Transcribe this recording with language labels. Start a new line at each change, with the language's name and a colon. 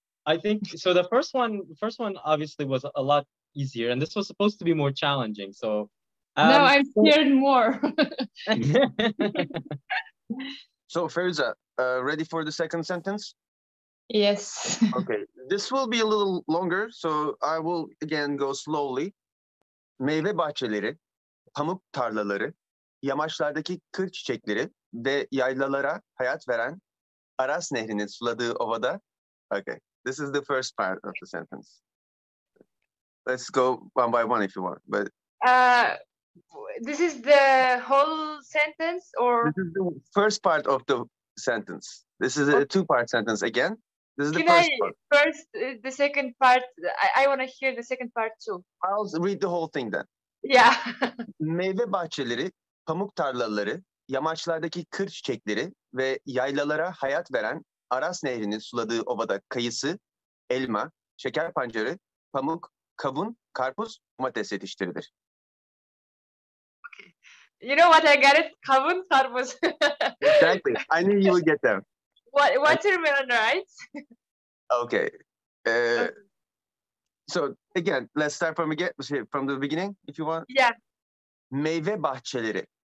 English: I think, so the first one obviously was a lot easier, and this was supposed to be more challenging, so... No, I'm scared more. So, Feruza, ready for the second sentence? Yes. Okay, this will be a little longer, so I will again go slowly.
Turkish: Meyve bahçeleri. Pamuk tarlaları, yamaçlardaki kır çiçekleri ve yaylalara hayat veren Aras Nehri'nin suladığı ovada.
English: Okay, this is the first part of the sentence. Let's go one by one if you want. But this is the whole sentence or? This is the first part of the sentence. This is a two-part sentence again. This is the first part. The second part, I want to hear the second part too. I'll read the whole thing then. Yeah.
Turkish: Meyve bahçeleri, pamuk tarlaları, yamaçlardaki kır çiçekleri ve yaylalara hayat veren Aras Nehri'nin suladığı ovada kayısı, elma, şeker pancarı, pamuk, kavun, karpuz, domates yetiştirilir.
English: You know what I got it? Kavun, karpuz. Exactly. I knew you would get them. Watermelon, right? Okay. So again, let's start from the beginning, if you want. Yeah.
Turkish: Meyve bahçeleri.